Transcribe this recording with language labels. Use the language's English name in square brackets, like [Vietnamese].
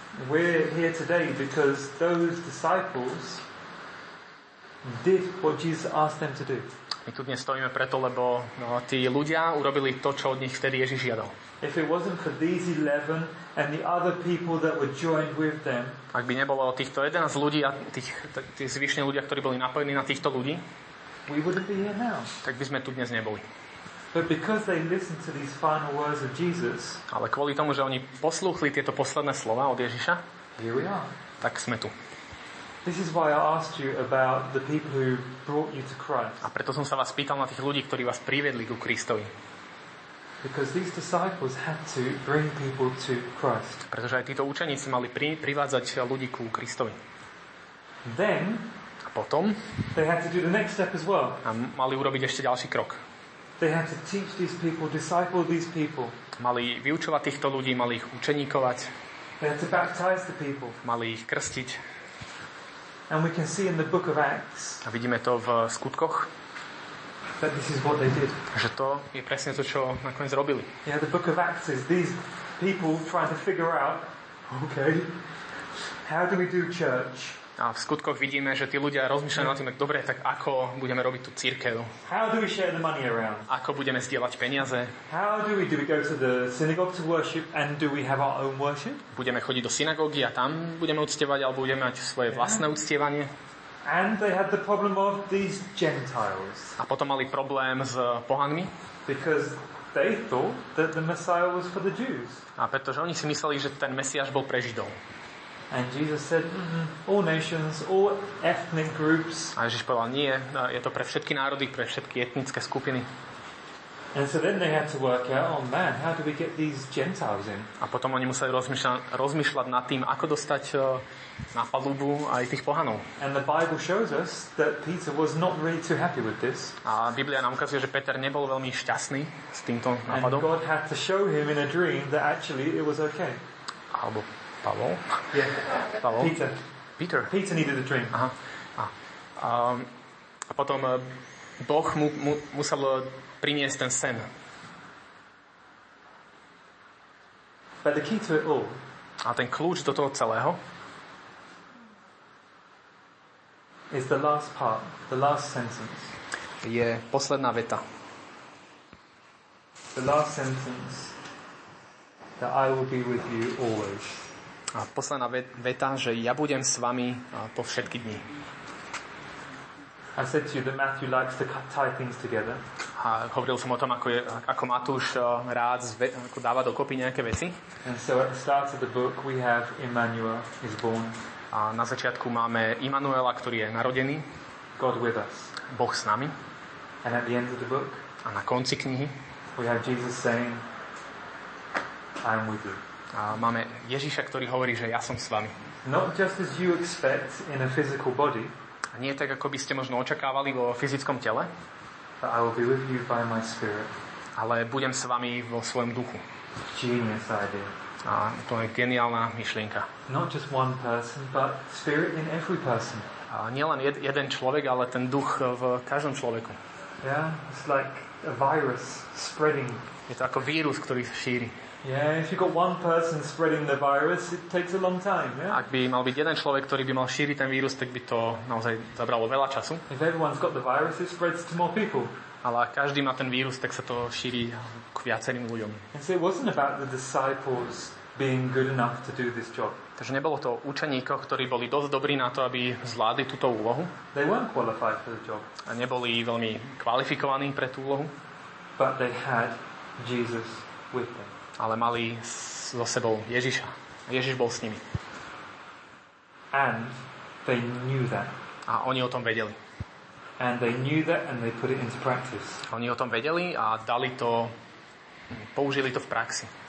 [English] We're here today because those disciples did what Jesus asked them to do. [Slovak] My tu dnes stojíme preto, lebo tí ľudia urobili to, čo od nich vtedy Ježiš žiadal. [English] If it wasn't for these 11 and the other people that were joined with them, [Slovak] ak by nebolo týchto 11 ľudí a tí zvyšní ľudia, ktorí boli napojení na týchto ľudí, [English] we wouldn't be here now. [Slovak] Tak by sme tu dnes neboli. [English] But because they listened to these final words of Jesus, [Slovak] ale kvôli tomu, že oni poslúchli tieto posledné slova od Ježiša, [English] here we are. [Slovak] Tak sme tu. [English] This is why I asked you about the people who brought you to Christ. [Slovak] A preto som sa vás pýtal na tých ľudí, ktorí vás priviedli ku Kristovi. [English] Because these disciples had to bring people to Christ. [Slovak] Pretože aj títo učeníci mali privádzať ľudí ku Kristovi. [English] Then, [Slovak] a potom, [English] they had to do the next step as well. [Slovak] A mali urobiť ešte ďalší krok. [English] They had to teach these people, disciple these people. [Slovak] Mali vyučovať týchto ľudí, mali ich učeníkovať. [English] They had to baptize the people. [Slovak] Mali ich krstiť. [English] And we can see in the book of Acts. [Slovak] A vidíme to v skutkoch. [English] That this is what they did. [Slovak] Že to je presne to, čo nakoniec robili. [English] Yeah, the book of Acts is these people trying to figure out, okay, how do we do church? [Slovak] A v skutkoch vidíme, že tí ľudia rozmýšľajú nad tým, tak dobre, tak ako budeme robiť tú cirkev? [English] How do we share the money around? [Slovak] Ako budeme zdieľať peniaze? [English] How do we go to the synagogue to worship and do we have our own worship? [Slovak] Budeme chodiť do synagógy a tam budeme uctievať alebo budeme mať svoje vlastné uctievanie? [English] And they had the problem of these Gentiles. [Slovak] A potom mali problém s pohanmi? [English] Because they thought that the Messiah was for the Jews. [Slovak] A pretože oni si mysleli, že ten Mesiáš bol pre Židov. [English] And Jesus said, all nations, all ethnic groups. [Slovak] A Ježiš povedal, nie, je to pre všetky národy, pre všetky etnické skupiny. [English] And so then they had to work out, oh man, how do we get these Gentiles in? [Slovak] A potom oni museli rozmýšľať nad tým, ako dostať na palubu aj tých pohanov. [English] And the Bible shows us that Peter was not really too happy with this. [Slovak] A Biblia nám ukazuje, že Peter nebol veľmi šťastný s týmto nápadom. [English] And God had to show him in a dream that actually it was okay. [Slovak] Alebo Pavol? [English] Yeah. [Slovak] Pavol? [English] Peter. Peter needed a dream. [Slovak] Aha. A potom Boh musel priniesť ten sen. [English] But the key to it all. [Slovak] A ten kľúč do toho celého [English] is the last part, the last sentence. [Slovak] Je posledná veta. [English] The last sentence that I will be with you always. [Slovak] A posledná veta, že ja budem s vami po všetky dni. [English] I said to you that Matthew likes to tie things together. [Slovak] A hovoril som o tom, ako Matúš rád dáva dokopy nejaké veci. [English] And so at the start of the book we have Emmanuel is born. [Slovak] A na začiatku máme Immanuela, ktorý je narodený. [English] God with us. [Slovak] Boh s nami. [English] And at the end of the book. [Slovak] A na konci knihy. [English] We have Jesus saying, I am with you. [Slovak] A máme Ježiša, ktorý hovorí, že ja som s vami. [English] Not just as you expect in a physical body. [Slovak] A nie tak, ako by ste možno očakávali vo fyzickom tele. [English] But I will be with you by my spirit. [Slovak] Ale budem s vami vo svojom duchu. [English] Genius idea. [Slovak] A to je geniálna myšlienka. [English] Not just one person, but spirit in every person. [Slovak] A nie len jeden človek, ale ten duch v každom človeku. [English] Yeah, it's like a virus spreading. [Slovak] Je to ako vírus, ktorý sa šíri. [English] Yeah, if you got one person spreading the virus, it takes a long time, yeah? [Slovak] Ak by mal byť jeden človek, ktorý by mal šíriť ten vírus, tak by to naozaj zabralo veľa času. [English] If everyone's got the virus, it spreads to more people. [Slovak] Ale ak každý má ten vírus, tak sa to šíri k viacerým ľuďom. [English] And so it wasn't about the disciples being good enough to do this job. [Slovak] Takže nebolo to učeníkov, ktorí boli dosť dobrí na to, aby zvládli túto úlohu. [English] They weren't qualified for the job. [Slovak] A neboli veľmi kvalifikovaní pre tú úlohu. [English] But they had Jesus with them. [Slovak] Ale mali so sebou Ježiša. Ježiš bol s nimi. [English] And they knew that. [Slovak] A oni o tom vedeli. [English] And they knew that and they put it into practice. [Slovak] Oni o tom vedeli a dali to, použili to v praxi.